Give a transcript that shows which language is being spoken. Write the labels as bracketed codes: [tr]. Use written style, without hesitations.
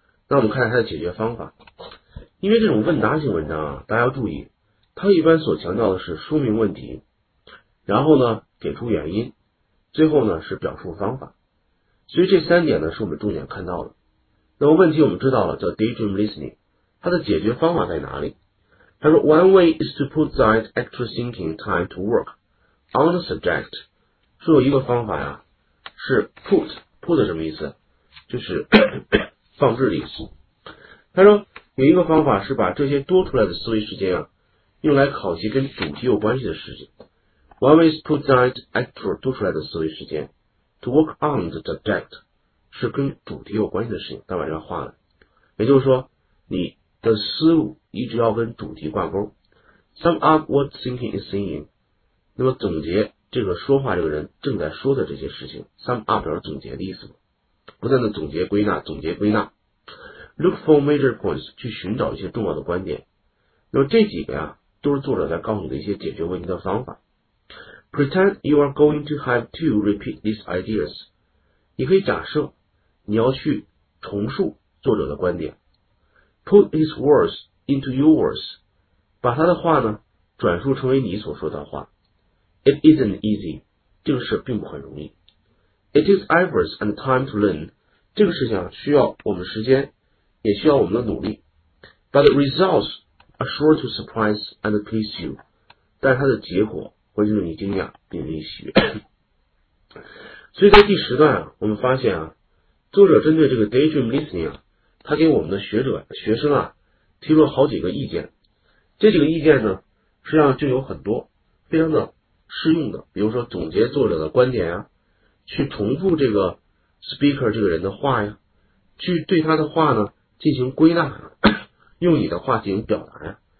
[zh] 那我们看一下它的解决方法。因为这种问答性文章啊，大家要注意，它一般所强调的是说明问题，然后呢给出原因，最后呢是表述方法。所以这三点呢是我们重点看到的。那么问题我们知道了，叫 daydream listening， 它的解决方法在哪里？他说 [en] one way is to put that extra thinking time to work on the subject。 [zh] 说有一个方法呀，是 put 什么意思，就是放置的意思。他说有一个方法是把这些多出来的思维时间啊，用来考虑跟主题有关系的事情。 [en] one way is to put that extra [zh] 多出来的思维时间 [en] To work on the subject， [zh] 是跟主题有关系的事情，再把这画了。也就是说，你的思路一直要跟主题挂钩。 [en] Sum up what thinking is saying， [zh] 那么总结这个说话这个人正在说的这些事情。 Sum up 表示总结的意思，不断的总结归纳，总结归纳。 [en] Look for major points， [zh] 去寻找一些重要的观点。那么这几个呀，都是作者在告诉你的一些解决问题的方法。 [en] Pretend you are going to have to repeat these ideas. [zh] 你可以假设你要去重述作者的观点。 [en] Put his words into your words. [zh] 把他的话呢转述成为你所说的话。 [en] It isn't easy. [zh] 这个事并不很容易。 [en] It is efforts and time to learn. [zh] 这个事情需要我们时间，也需要我们的努力。 [en] But the results are sure to surprise and please you. [zh] 但是它的结果会令你惊讶并令你喜悦。所以在第十段啊，我们发现啊，作者针对这个 daydream listening 啊，他给我们的学生啊提出了好几个意见。这几个意见呢，实际上就有很多非常的适用的，比如说总结作者的观点啊，去重复这个 speaker 这个人的话呀，去对他的话呢进行归纳，用你的话进行表达呀。